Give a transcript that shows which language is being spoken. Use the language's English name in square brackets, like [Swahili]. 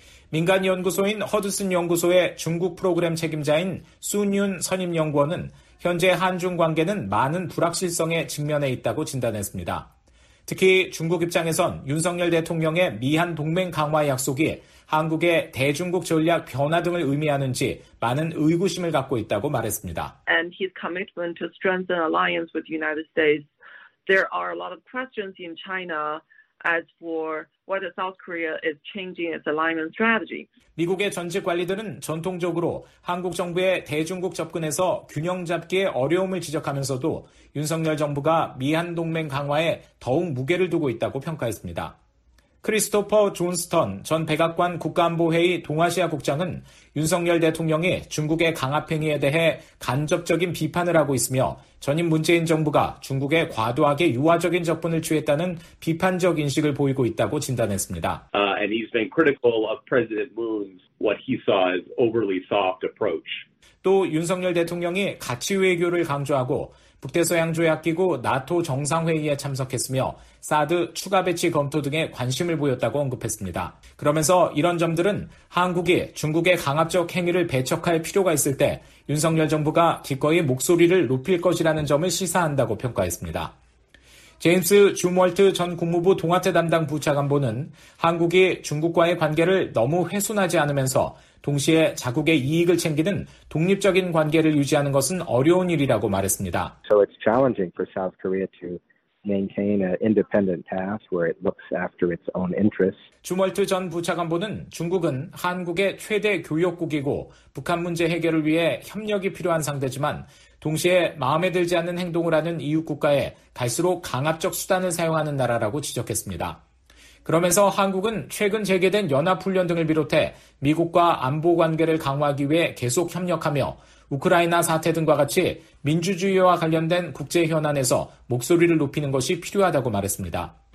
[Korean] 민간연구소인 허드슨 연구소의 중국 프로그램 책임자인 순윤 선임연구원은 현재 한중 관계는 많은 불확실성에 직면해 있다고 진단했습니다. 특히 중국 입장에선 윤석열 대통령의 미한 동맹 강화 약속이 한국의 대중국 전략 변화 등을 의미하는지 많은 의구심을 갖고 있다고 말했습니다. [English] And his commitment to strengthen alliance with the United States. There are a lot of questions in China as for whether South Korea is changing its alignment strategy. [Korean] 미국의 전직 관리들은 전통적으로 한국 정부의 대중국 접근에서 균형 잡기에 어려움을 지적하면서도 윤석열 정부가 미한 동맹 강화에 더욱 무게를 두고 있다고 평가했습니다. 크리스토퍼 존스턴 전 백악관 국가안보회의 동아시아 국장은 윤석열 대통령이 중국의 강압행위에 대해 간접적인 비판을 하고 있으며 전임 문재인 정부가 중국에 과도하게 유화적인 접근을 취했다는 비판적 인식을 보이고 있다고 진단했습니다. [English] And he's been critical of President Moon's what he saw as overly soft approach. [Korean] 또 윤석열 대통령이 가치 외교를 강조하고 북대서양조약기구 나토 정상회의에 참석했으며 사드 추가 배치 검토 등에 관심을 보였다고 언급했습니다. 그러면서 이런 점들은 한국이 중국의 강압적 행위를 배척할 필요가 있을 때 윤석열 정부가 기꺼이 목소리를 높일 것이라는 점을 시사한다고 평가했습니다. 제임스 주몰트 전 국무부 동아태 담당 부차관보는 한국이 중국과의 관계를 너무 훼손하지 않으면서 동시에 자국의 이익을 챙기는 독립적인 관계를 유지하는 것은 어려운 일이라고 말했습니다. [English] So it's challenging for South Korea to maintain an independent path where it looks after its own interests. [Korean] 주멀트 전 부차관보는 중국은 한국의 최대 교역국이고 북한 문제 해결을 위해 협력이 필요한 상대지만 동시에 마음에 들지 않는 행동을 하는 이웃 국가에 갈수록 강압적 수단을 사용하는 나라라고 지적했습니다. 그러면서 한국은 최근 재개된 연합훈련 등을 비롯해 미국과 안보 관계를 강화하기 위해 계속 협력하며 우크라이나 사태 등과 같이 민주주의와 관련된 국제 현안에서 목소리를 높이는 것이 필요하다고 말했습니다.